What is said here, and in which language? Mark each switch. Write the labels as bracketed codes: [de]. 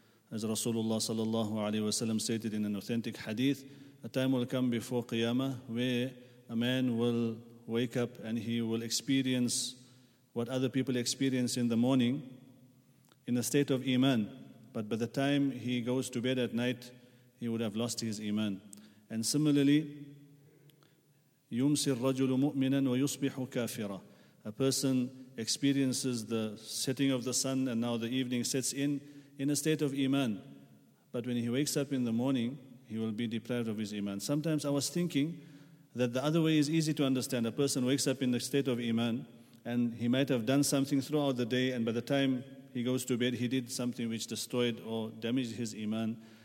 [en] As Rasulullah sallallahu alayhi wa sallam stated in an authentic hadith, a time will come before Qiyamah where a man will wake up and he will experience what other people experience in the morning, in a state of iman, but by the time he goes to bed at night, he would have lost his iman. And similarly, [ar] يُمْسِ الرَّجُلُ مُؤْمِنًا وَيُصْبِحُ كَافِرًا. [en] A person experiences the setting of the sun and now the evening sets in a state of iman. But when he wakes up in the morning, he will be deprived of his iman. Sometimes I was thinking that the other way is easy to understand. A person wakes up in the state of iman and he might have done something throughout the day and by the time he goes to bed, he did something which destroyed or damaged his iman.